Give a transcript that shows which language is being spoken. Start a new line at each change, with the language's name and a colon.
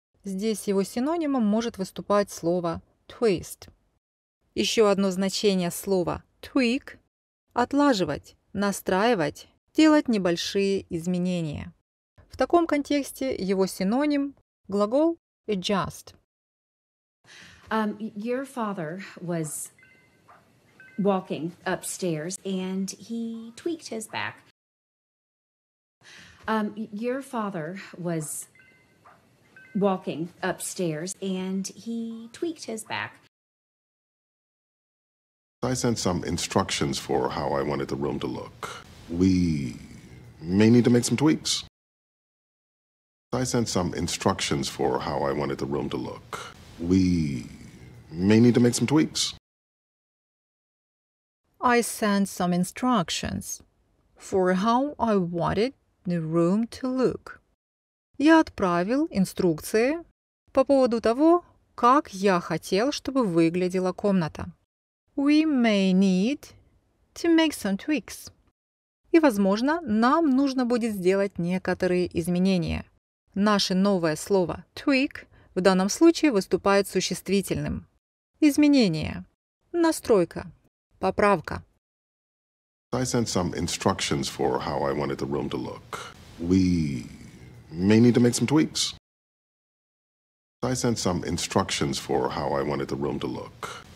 Russian: Здесь его синонимом может выступать слово twist. Еще одно значение слова tweak. Отлаживать, настраивать, делать небольшие изменения. В таком контексте его синоним – глагол adjust.
English: Your father was walking upstairs and he tweaked his back. Your father was walking upstairs and he tweaked his back. I sent some instructions for how I wanted the room to look. We may need to make some tweaks. I sent some instructions for how I wanted the room to look. We may need to make some tweaks. I sent some instructions for how I wanted the room to look.
Russian: Я отправил инструкции по поводу того, как я хотел, чтобы выглядела комната.
English: We may need to make some tweaks.
Russian: И, возможно, нам нужно будет сделать некоторые изменения. Наше новое слово tweak в данном случае выступает существительным. Изменение. Настройка. Поправка.
English: I sent some instructions for how I wanted the room to look. We may need to make some tweaks. I sent some instructions for how I wanted the room to look.